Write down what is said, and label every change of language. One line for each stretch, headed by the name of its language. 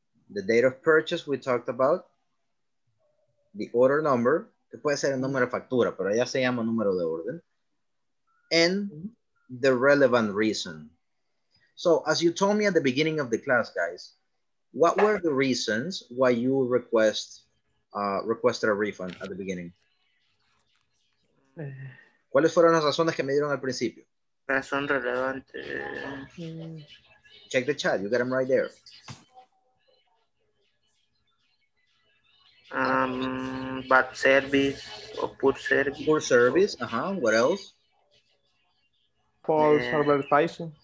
English: The date of purchase we talked about, the order number,
Spanish: que puede ser el número de factura, pero ya se llama número de orden,
English: and the relevant reason. So as you told me at the beginning of the class, guys, what were the reasons why you requested a refund at the beginning?
Spanish: ¿Cuáles fueron las razones que me dieron al principio? Razón relevante.
English: Check the chat, you got them right there. Bad service or poor service. Poor service, uh-huh. What else? False advertising.